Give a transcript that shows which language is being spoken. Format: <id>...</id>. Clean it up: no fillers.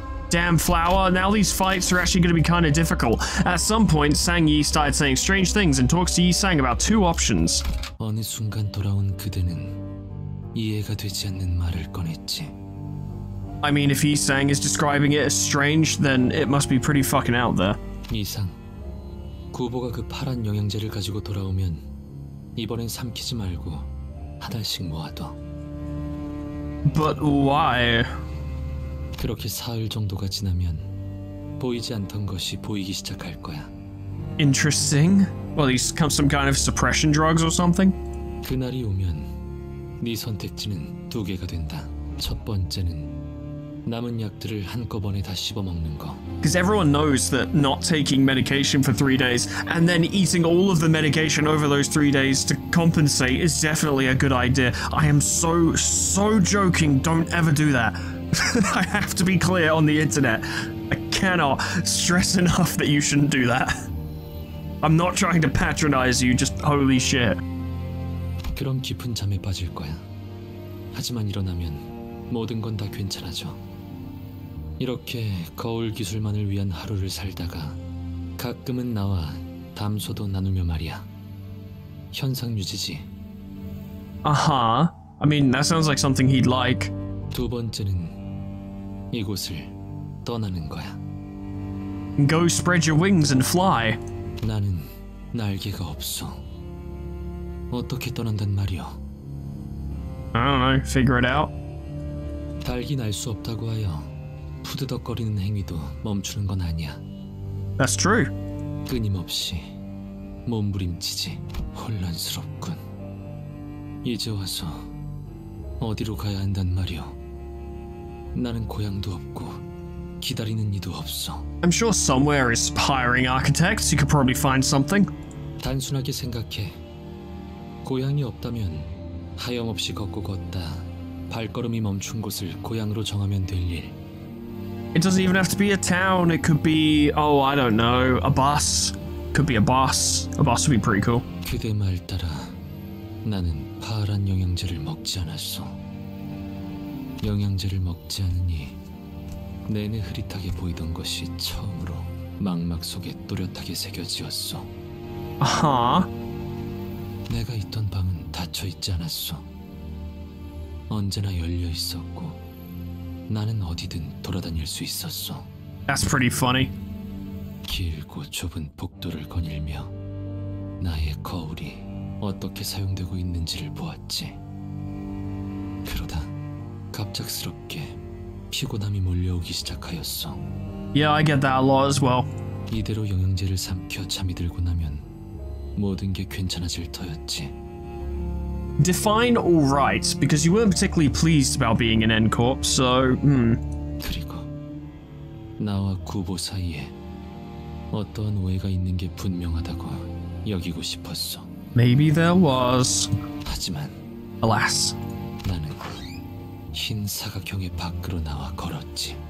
<en>Damn flower, now these fights are actually going to be kind of difficult. At some point, Sang Yi started saying strange things and talks to Yisang about two options. I mean, if Yisang is describing it as strange, then it must be pretty fucking out there.</en> <ko>Yisang, 구보가 그 파란 영양제를 가지고 돌아오면 이번엔 삼키지 말고 한 알씩 모아둬.</ko> <en>But why?</en> <ko>그렇게 사흘 정도가 지나면 보이지 않던 것이 보이기 시작할 거야.</ko> <en>Interesting. Well, he's come some kind of suppression drugs or something.</en> <ko>그날이 오면 네 선택지는 두 개가 된다. 첫 번째는 남은 약들을 한꺼번에 다 씹어 먹는 거.</ko> <en>Because everyone knows that not taking medication for 3 days and then eating all of the medication over those 3 days to compensate is definitely a good idea. I am so joking. Don't ever do that. I have to be clear on the internet. I cannot stress enough that you shouldn't do that. I'm not trying to patronize you, just holy shit.</en> <ko>그럼 깊은 잠에 빠질 거야. 하지만 일어나면 모든 건 다 괜찮아져. 이렇게 거울 기술만을 위한 하루를 살다가 가끔은 나와 담소도 나누며 말이야. 현상 유지지. Aha.</ko> <en>I mean, that sounds like something he'd like.</en> <ko>두 번째는 이곳을 떠나는 거야.</ko> <en>Go spread your wings and fly.</en> <ko>나는 날개가 없어. 어떻게 떠난단 말이야?</ko> <en>I don't know. Figure it out.</en> <ko>달기 날 수 없다고 하여 푸드덕거리는 행위도 멈추는 건 아니야.</ko> <en>That's true.</en> <ko>끊임없이 몸부림치지. 혼란스럽군. 이제 와서 어디로 가야 한단 말이오. 나는 고향도 없고 기다리는 이도 없어.</ko> <en>I'm sure somewhere is hiring architects. You could probably find something.</en> <ko>단순하게 생각해. 고향이 없다면 하염없이 걷고 걷다 발걸음이 멈춘 곳을 고향으로 정하면 될 일.</ko> <en>It doesn't even have to be a town. It could be, oh, I don't know, a bus. Could be a bus. A bus would be pretty cool.</en> <ko>그대 말 따라 나는 파란 영양제를 먹지 않았어. 영양제를 먹지 않으니 내내 흐릿하게 보이던 것이 처음으로 망막 속에 또렷하게 새겨지었어. 아하. 내가 있던 방은 닫혀 있지 않았어. 언제나 열려 있었고 나는 어디든 돌아다닐 수 있었어.</ko> <en>That's pretty funny.</en> <ko>길고 좁은 복도를 거닐며 나의 거울이 어떻게 사용되고 있는지를 보았지. 그러다 갑작스럽게 피곤함이 몰려오기 시작하였어.</ko> <en>Yeah, I get that a lot as well.</en> <ko>이대로 영양제를 삼켜 잠이 들고 나면 모든 게 괜찮아질 터였지.</ko> <en>define all right, because you weren't particularly pleased about being an N-Corp, so,</en> <ko>그리고 나와 구보 사이에 어떤 오해가 있는 게 분명하다고 여기고 싶었어.</ko> <en>Maybe there was.</en> <ko>하지만</ko> <en>alas.</en> <ko>나는 흰 사각형의 밖으로 나와 걸었지.</ko>